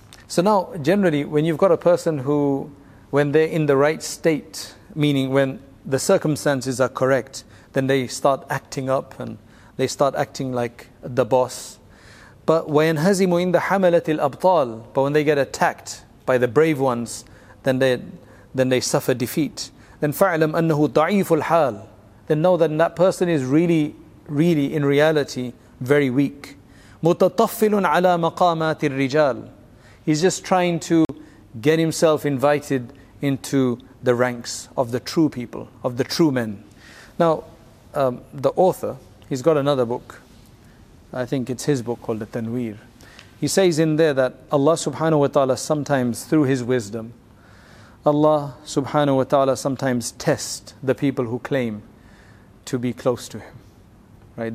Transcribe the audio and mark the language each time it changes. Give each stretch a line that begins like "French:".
English: So now, generally, when you've got a person who, when they're in the right state, meaning when the circumstances are correct, then they start acting up and they start acting like the boss.
Arabic: But وَيَنْهَزِمُ إِنْ دَحَمَلَةِ الْأَبْطَالِ.
English: But when they get attacked by the brave ones, then they suffer defeat.
Arabic: Then فَعْلَمْ أَنَّهُ ضَعِيفُ الْحَالِ.
English: Then know that that person is really, really, in reality, very weak.
Arabic: مُتَطَفِّلٌ عَلَى مَقَامَاتِ الرِّجَالِ.
English: He's just trying to get himself invited into the ranks of the true people, of the true men. Now, the author, he's got another book. I think it's his book called The Tanweer. He says in there that Allah subhanahu wa ta'ala sometimes, through his wisdom, Allah subhanahu wa ta'ala sometimes tests the people who claim to be close to him. Right?